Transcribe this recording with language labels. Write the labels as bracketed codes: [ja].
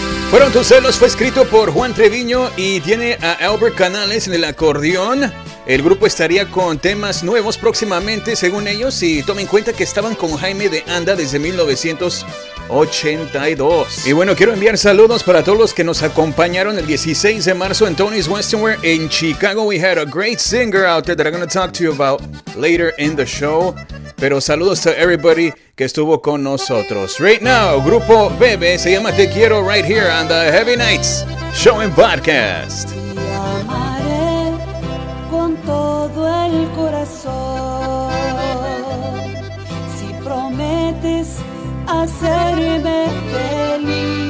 [es] Fueron tus celos, fue escrito por Juan Treviño y tiene a Albert Canales en el acordeón. El grupo estaría con temas nuevos próximamente, según ellos, y tomen en cuenta que estaban con Jaime de Anda desde 1982. Y bueno, quiero enviar saludos para todos los que nos acompañaron el 16 de marzo en Tony's Westernware en Chicago. [en] We had a great singer out there that I'm going to talk to you about later in the show. [es] Pero saludos to everybody que estuvo con nosotros. [en] Right now, Grupo Bebe, se llama Te Quiero, right here on the Heavy Nights Show and Podcast. [es] Te amaré con todo el corazón, si prometes hacerme feliz.